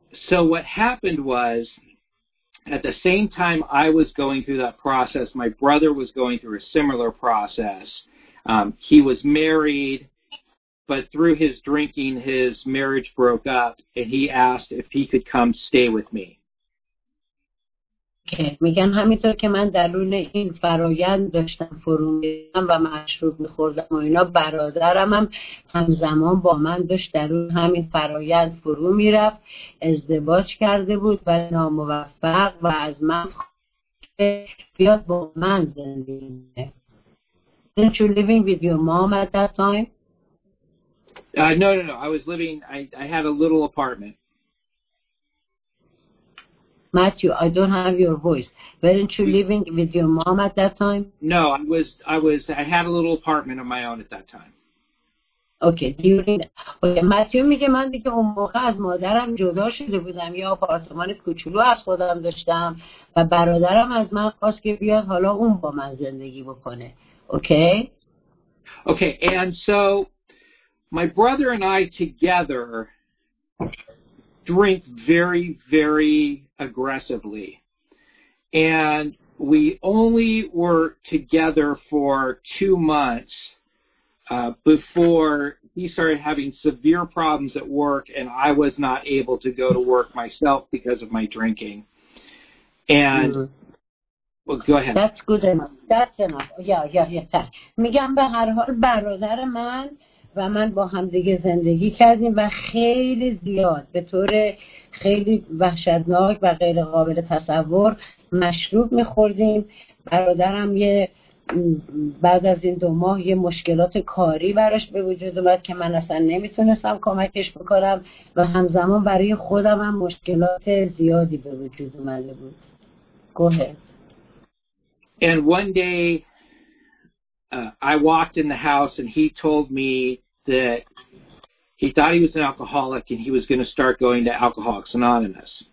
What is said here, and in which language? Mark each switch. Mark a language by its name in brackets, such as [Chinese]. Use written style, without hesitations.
[English] So what happened was, at the same time I was going through that process, my brother was going through a similar process. He was married, but through his drinking, his marriage broke up, and he asked if he could come stay with me. [Persian] که میگن همینطور که من درون این فرایند داشتم فرو میرفتم و مشروب میخوردم و اینا، برادرم هم همزمان با من داشت درون همین فرایند فرو میرفت. ازدواج کرده بود و ناموفق و از من بیاد با من زندگی کنه. [English] Didn't you living with your mom at that time? No. I was living. I had a little apartment. Matthew, I don't have your voice. Weren't you living with your mom at that time? No, I was. I had a little apartment of my own at that time. Okay. [Persian] Matthew میگه من دیگه اون موقع از مادرم جدا شده بودم، یه آپارتمان کوچولو از خودم داشتم و برادرم از من خواست که بیاد حالا اون با من زندگی بکنه. [English] Okay. Okay. And so, my brother and I together drink very, very aggressively. And we only were together for 2 months before he started having severe problems at work, and I was not able to go to work myself because of my drinking. And Well, go ahead. That's enough. Yeah. [Persian] میگم به هر حال برادر من و من با هم دیگه زندگی کردیم و خیلی زیاد به طور خیلی وحشتناک و غیر قابل تصور مشروب می‌خوردیم. برادرم یه بعد از این دو ماه یه مشکلات کاری براش به وجود اومد که من اصلا نمیتونستم کمکش بکنم و همزمان برای خودم هم مشکلات زیادی به وجود اومده بود. [English] And one day I walked in the house and he told me that he thought he was an alcoholic and he was going to start going to Alcoholics Anonymous.